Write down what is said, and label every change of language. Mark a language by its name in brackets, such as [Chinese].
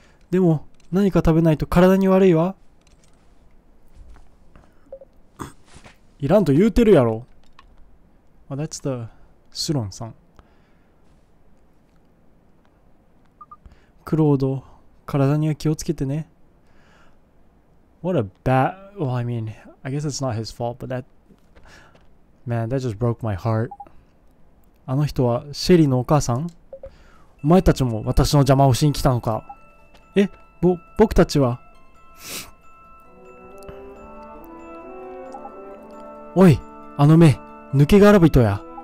[Japanese] でも、何か食べないと体に悪いわ。いらんと言うてるやろ。 [English] Well, that's the スロンさん。 [Japanese] クロード、体には気をつけてね。 [English] What a bad... Well, I mean, I guess it's not his fault, but that... Man, that just broke my heart. [Japanese] あの人はシェリーのお母さん？お前たちも私の邪魔をしに来たのか？え？僕たちは？おい、あの目、抜け殻人や。